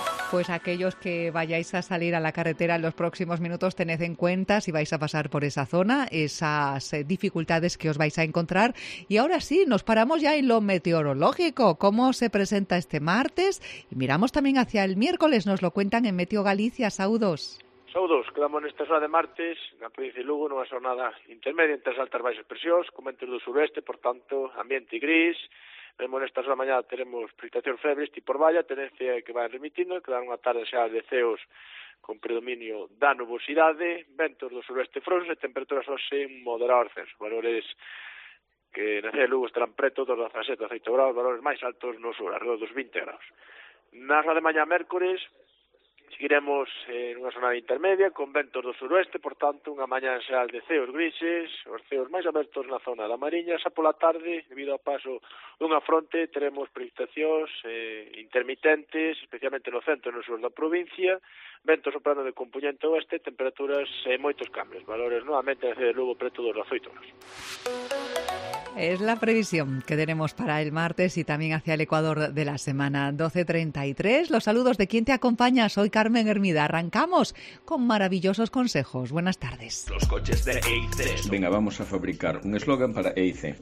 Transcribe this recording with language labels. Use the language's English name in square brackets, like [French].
[Spanish] Pues aquellos que vayáis a salir a la carretera en los próximos minutos, tened en cuenta, si vais a pasar por esa zona, esas dificultades que os vais a encontrar. Y ahora sí, nos paramos ya en lo meteorológico. ¿Cómo se presenta este martes? Y miramos también hacia el miércoles, nos lo cuentan en Meteo Galicia. [Galician] Saudos. Saudos, quedamos en esta zona de martes, na provincia de Lugo, nunha xornada intermedia entre as altas e baixas presións, con ventos do sureste, por tanto, ambiente gris. Vemos nesta zona mañá, teremos precipitación febre, tipo valla, tendencia que vai remitindo, quedar unha tarde xa de ceos con predominio da nubosidade, ventos do sureste frouxos e temperaturas hoxe en moderado ascenso. Valores que na cidade de Lugo estarán preto dos 17 a 18 graus, valores máis altos no sur, alrededor dos 20 graus. Na zona de mañá, mércores, seguiremos en unha xornada intermedia con ventos do suroeste, por tanto, unha mañá xa de ceos grises, os ceos máis abertos na zona da Mariña. Xa pola tarde, debido ao paso dunha fronte, teremos precipitacións intermitentes, especialmente no centro e no sur da provincia, ventos soprando de compoñente oeste, temperaturas e moitos cambios, valores novamente de Lugo preto dos 18 graus. [Spanish] Es la previsión que tenemos para el martes y también hacia el Ecuador de la semana. 12:33, los saludos de quien te acompaña. Soy Carmen Hermida. Arrancamos con maravillosos consejos. Buenas tardes. Los coches de EICE. Venga, vamos a fabricar un eslogan para EICE.